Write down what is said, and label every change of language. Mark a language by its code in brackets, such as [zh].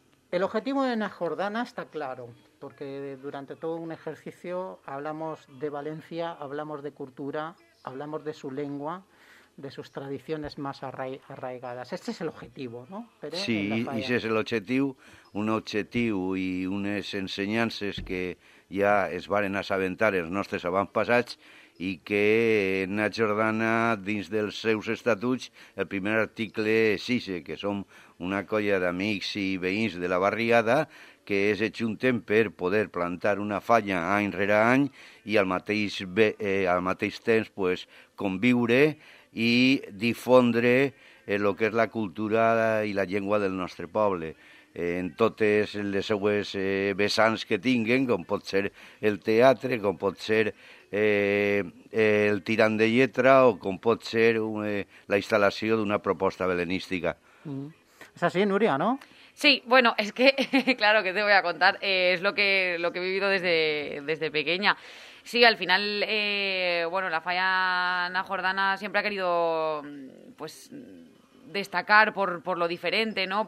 [es] El objetivo de Nacho Ordana está claro, porque durante todo un ejercicio hablamos de Valencia, hablamos de cultura, hablamos de su lengua, de sus tradiciones más arraigadas. Este es el objetivo, ¿no? Pere, sí, y ese es el objetivo, un objetivo y unas enseñanzas que [ca] ya es varen asaventar els nostres avantpassats y que Nacho Ordana, dins dels seus estatuts, el primer article exige que som una colla d'amics i veïns de la barriada que es ajunten per poder plantar una falla any rere any i al mateix temps pues, conviure i difondre el que és la cultura i la llengua del nostre poble en totes les seues vessants que tinguen, com pot ser el teatre, com pot ser el tirant de lletra o com pot ser la instal·lació d'una proposta belenística. És així, Núria, no? [es] Sí, bueno, es que, claro, que te voy a contar, es lo que he vivido desde pequeña. Sí, al final, bueno, la falla Nacho Ordana siempre ha querido, pues, destacar por lo diferente, ¿no?